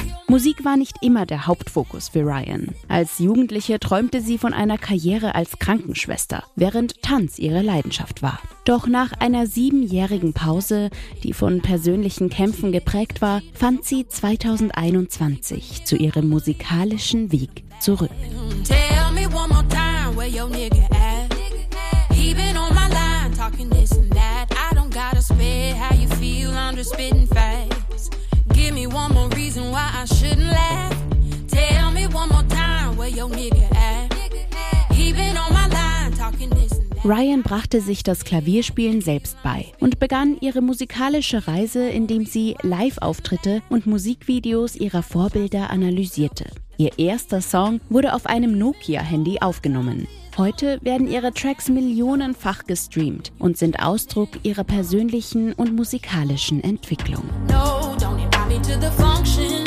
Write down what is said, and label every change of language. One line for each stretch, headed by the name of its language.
German: Musik war nicht immer der Hauptfokus für Ryan. Als Jugendliche träumte sie von einer Karriere als Krankenschwester, während Tanz ihre Leidenschaft war. Doch nach einer 7-jährigen Pause, die von persönlichen Kämpfen geprägt war, fand sie 2021 zu ihrem musikalischen Weg zurück.
English: Tell me one more time where your nigga at. He been on my line talking this and that. I don't gotta spit how you feel, I'm just spitting facts. Give me one more reason why I shouldn't laugh. Tell me one more time where your nigga at. He been on my line talking this.
German: Ryan brachte sich das Klavierspielen selbst bei und begann ihre musikalische Reise, indem sie Live-Auftritte und Musikvideos ihrer Vorbilder analysierte. Ihr erster Song wurde auf einem Nokia-Handy aufgenommen. Heute werden ihre Tracks millionenfach gestreamt und sind Ausdruck ihrer persönlichen und musikalischen Entwicklung.
English: No, don't invite me to the function.